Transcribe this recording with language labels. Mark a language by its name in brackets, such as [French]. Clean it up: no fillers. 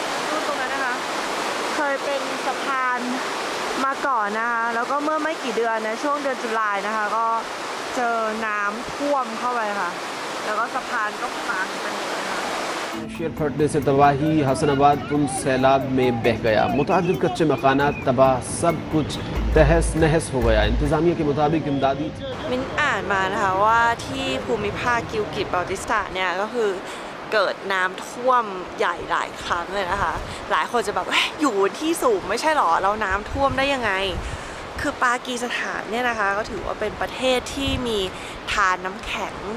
[Thai] รู้ตรงนั้นนะคะเคยเป็นสะพานมาก่อนนะคะแล้วก็เมื่อไม่กี่เดือนนะช่วงเดือนตุลาคมนะคะก็เจอน้ำท่วมเข้าไปค่ะแล้วก็สะพานก็พัง [Urdu] شہر پھٹنے سے تباہی حسن آباد تم سیلاب میں بہ گیا متعدد کچے مکانات تباہ سب کچھ تہس نہس ہو گیا انتظامیہ کے مطابق امدادی من آن [Thai] มานะคะว่าที่ภูมิภาคกิลกิตบัลติสตานเนี่ยก็คือเกิดน้ำท่วมใหญ่หลายครั้งเลยนะคะหลายคนจะแบบอยู่ที่สูงไม่ใช่หรอแล้วน้ำท่วมได้ยังไงคือปากีสถานเนี่ยนะคะก็ถือว่าเป็นประเทศที่มีธารน้ำแข็ง